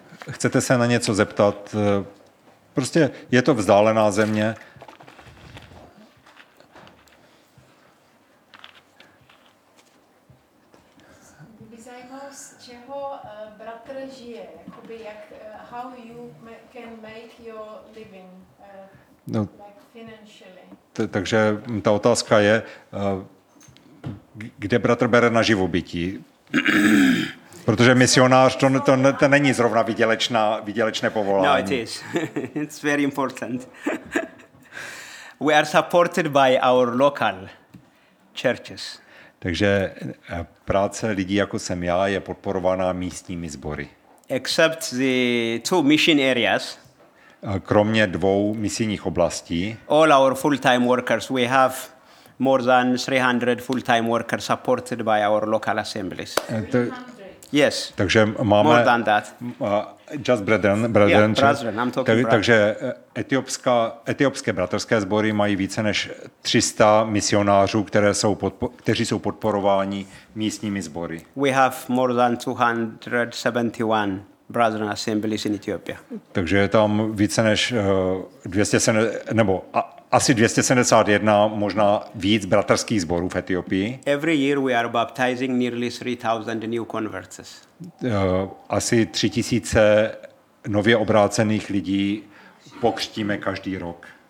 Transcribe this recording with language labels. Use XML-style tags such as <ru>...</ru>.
<cs>Chcete se na něco zeptat? Prostě je to vzdálená země. Kdyby zajímalo, z čeho bratr žije? Jakoby jak,</cs> <en>how you can make your living? No, like financially.</en> <cs>Takže ta otázka je, kde bratr bere na živobytí? Protože misionář, to není zrovna výdělečné povolání.</cs> <en>No, it is. It's very important. We are supported by our local churches.</en> <cs>Takže práce lidí, jako jsem já, je podporovaná místními sbory.</cs> <en>Except the two mission areas.</en> <cs>Kromě dvou misijních oblastí.</cs> <en>All our full-time workers, we have more than 300 full-time workers supported by our local assemblies. Yes.</en> <cs>Takže máme</cs> <en>more than that. Just brethren. Yeah, brethren. I'm talking brethren.</en> <cs>Takže etiopské bratrské sbory mají více než 300 misionářů, kteří jsou podporováni místními sbory.</cs> <en>We have more than 271 brethren assemblies in Ethiopia.</en> <cs>Takže je tam více než 271 možná víc bratrských sborů v Etiopii.</cs> <en>Every year we are baptizing nearly 3000 new converts.</en> <cs>Asi 3000 nově obrácených lidí pokřtíme každý rok.</cs>